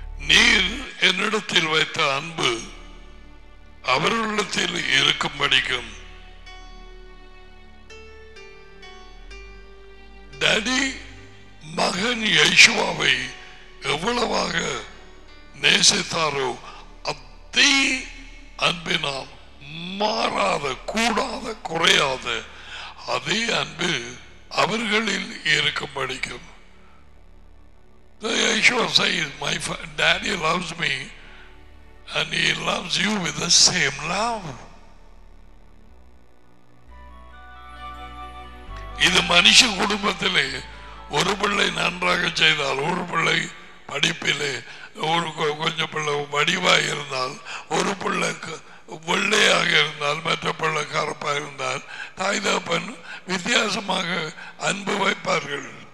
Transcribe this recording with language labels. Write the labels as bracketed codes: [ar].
[ta] நீர் என்னிடத்தில் வைத்த அன்பு அவர்களிடத்தில் இருக்கும்படிக்கும் டாடி மகன் யேசுவாவை எவ்வளவாக நேசித்தாரோ அத்தை அன்பினால் மாறாத, கூடாத, குறையாத அதே அன்பு அவர்களில் இருக்கும்படிக்கும். [en] Yeshua says, my daddy loves me and he loves you with the same love. [ta] இது மனுஷ குடும்பத்திலே ஒரு பிள்ளை நன்றாக செய்தால், ஒரு பிள்ளை படிப்பிலே ஒரு கொஞ்சம் பிள்ளை வடிவாக இருந்தால், ஒரு பிள்ளை வெள்ளையாக இருந்தால், மற்ற பிள்ளை கருப்பாக இருந்தால், தாய் தகப்பன் வித்தியாசமாக அன்பு வைப்பார்கள்.